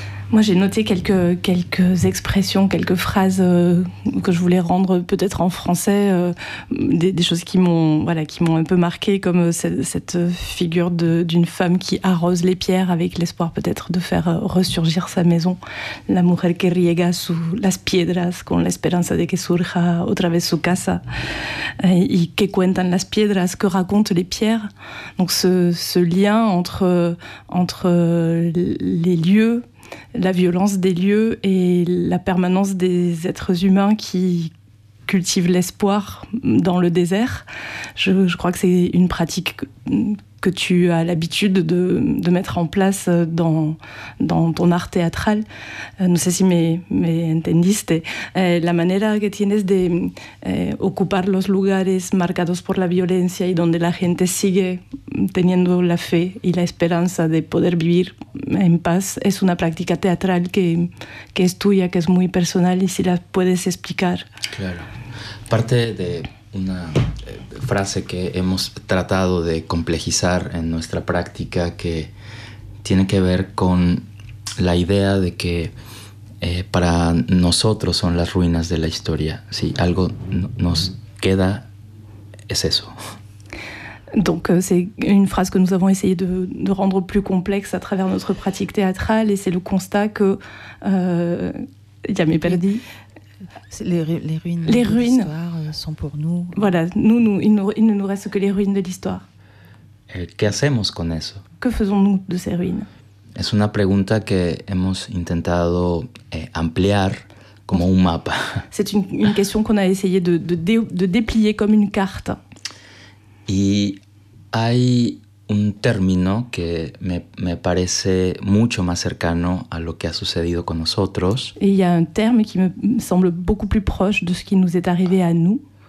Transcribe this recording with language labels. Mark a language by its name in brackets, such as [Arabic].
[French] Moi, j'ai noté quelques expressions, quelques phrases que je voulais rendre peut-être en français, des choses qui m'ont un peu marqué, comme cette figure d'une femme qui arrose les pierres avec l'espoir peut-être de faire ressurgir sa maison. [Spanish] La mujer que riega sous las piedras con la esperanza de que surja otra vez su casa. Y que cuentan las piedras, [French] que racontent les pierres. Donc ce lien entre les lieux, la violence des lieux et la permanence des êtres humains qui cultivent l'espoir dans le désert. Je crois que c'est une pratique que tu as l'habitude de mettre en place dans ton art théâtral. [Spanish] No sé si me entendiste. La manera que tienes de ocupar los lugares marcados por la violencia y donde la gente sigue teniendo la fe y la esperanza de poder vivir en paz es una práctica teatral que es tuya, que es muy personal y si la puedes explicar. Claro. Parte de una frase que hemos tratado de complejizar en nuestra práctica que tiene que ver con la idea de que para nosotros son las ruinas de la historia. Si algo nos queda, es eso. [French] Donc c'est une phrase que nous avons essayé de rendre plus complexe à travers notre pratique théâtrale et c'est le constat que [Spanish] ya me perdí. [French] Les ruines de l'histoire sont pour nous. Voilà, il ne nous reste que les ruines de l'histoire. [Spanish] ¿Qué hacemos con eso? [French] Que faisons-nous de ces ruines? [Spanish] Es una pregunta que hemos intentado ampliar como un mapa. [French] C'est une question qu'on a essayé de déplier comme une carte. [Spanish] Y hay un término que me parece mucho más cercano a lo que ha sucedido con nosotros. [French] Et il y a un terme qui me semble beaucoup plus proche de ce qui nous est arrivé à nous.